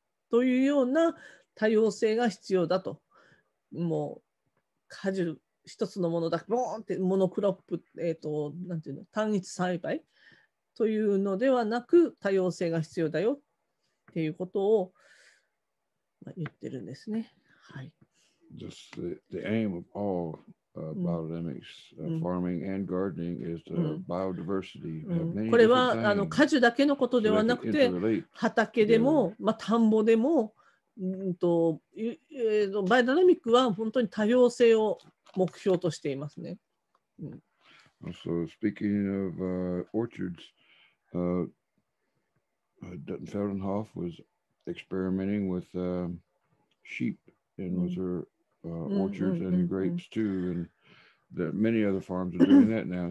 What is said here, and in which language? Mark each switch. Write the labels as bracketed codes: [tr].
[ja] というような多様性が必要だと、もう果樹一つのものだけボーンってモノクロップ、なんていうの、単一栽培というのではなく多様性が必要だよっていうことを言ってるんですね。はい。 [en] Just the aim of all biodynamics, farming and gardening is the biodiversity. [ja] これは果樹だけのことではなくて、畑でも、まあ、田んぼでも、バイオダイナミックは本当に多様性を目標としていますね。 [en] Also, speaking of orchards, Duttenfeldenhoff was experimenting with sheep and was her orchards and grapes too, and that many other farms are doing that now.